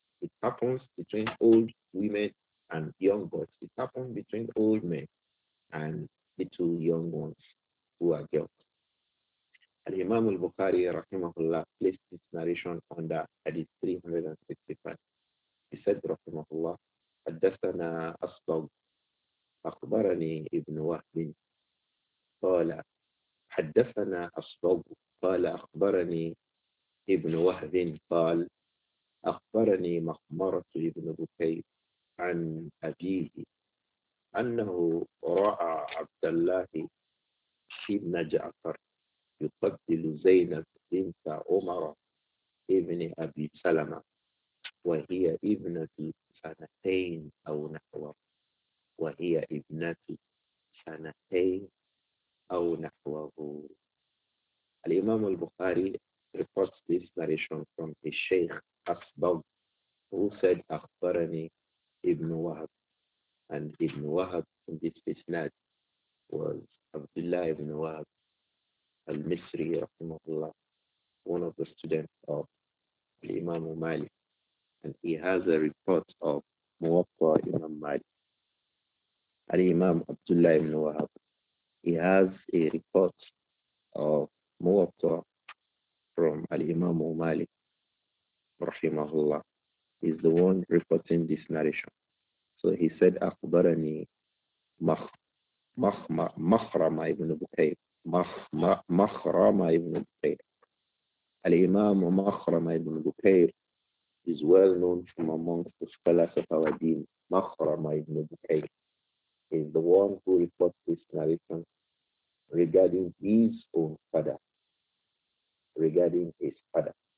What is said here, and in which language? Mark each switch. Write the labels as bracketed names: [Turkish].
[English] It happens between old women and young boys. It happens between old men and little young ones who are girls. Al-Imam al-Bukhari, rahimahullah, places its narration on the hadith 365. He said, [Arabic] rahimahullah, حدثنا أصبغ أخبرني ابن وهب قال حدثنا أصبغ قال أخبرني ابن وهب قال أخبرني مخمرة ابن بكير عن أبيه أنه رأى عبد الله ابن جعفر يقتل زينب بنت عمر ابن أبي سلمة وهي ابنة سنتين أو نحو وهي ابنة سنتين أو نحوه. [English] الإمام البخاري reports this narration from his Sheikh Asbagh, who said [Arabic] أخبرني ابن وهب. [English] And ابن وهب in this isnad was Abdullah ibn Wahab al-Misri [Arabic] رحمه الله, [English] one of the students of Imam Malik. And he has a report of Muwatta Imam Malik. Al-Imam Abdullah ibn Wahab, he has a report of Muwatta from Al-Imam Malik [Arabic] رحمه الله. [English] He's the one reporting this narration. So he said, [Arabic] أخبرني مخرمة ابن بكير. مخرمة ابن بكير. [English] الإمام مخرمة ابن بكير is well known from amongst the scholars of our deen. مخرمة ابن بكير is the one who reports this narration regarding his own father, regarding his father.